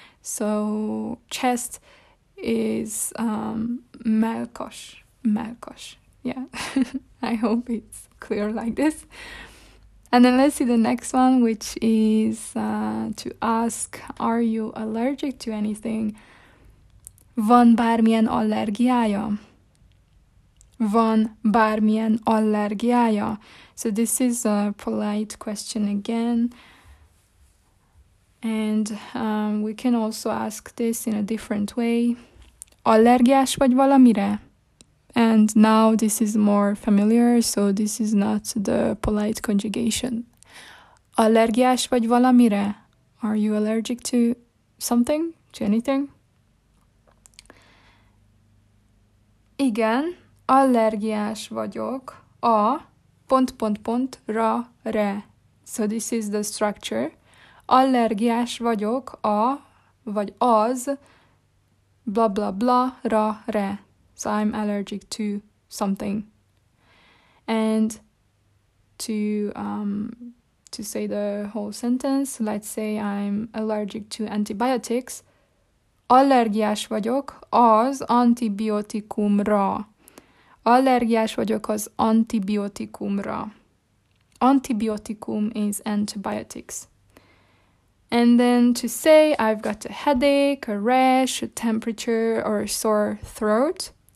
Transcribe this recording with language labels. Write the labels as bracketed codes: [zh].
[en] So chest is melkosh. Melkosh. Yeah, I hope it's clear like this. And then let's see the next one, which is to ask, are you allergic to anything? [hu] Van bármilyen allergiája? Van bármilyen allergiája? [en] So this is a polite question again. And we can also ask this in a different way. [hu] Allergiás vagy valamire? [en] And now this is more familiar, so this is not the polite conjugation. [hu] Allergiás vagy valamire? [en] Are you allergic to something? To anything? [hu] Igen, allergiás vagyok a pont pont pont ra re. [en] So this is the structure. [hu] Allergiás vagyok a vagy az bla bla bla ra re. [en] So I'm allergic to something. And to say the whole sentence, let's say I'm allergic to antibiotics. [hu] Allergiás vagyok az antibiotikumra. Allergiás vagyok az antibiotikumra. [en] Antibiotikum is antibiotics. And then to say I've got a headache, a rash, a temperature, or a sore throat.